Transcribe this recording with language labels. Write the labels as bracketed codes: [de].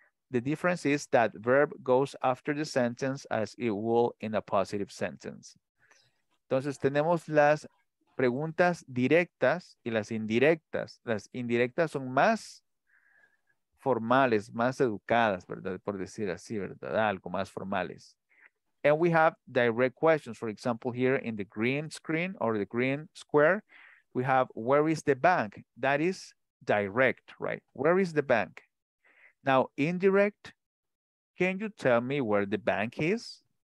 [en] The difference is that verb goes after the sentence as it will in a positive sentence. [es] Entonces, tenemos las preguntas directas y las indirectas. Las indirectas son más formales, más educadas, ¿verdad? Por decir así, ¿verdad? Algo más formales. [en] And we have direct questions. For example, here in the green screen or the green square, we have, where is the bank? That is direct, right? Where is the bank? Now, indirect, can you tell me where the bank is?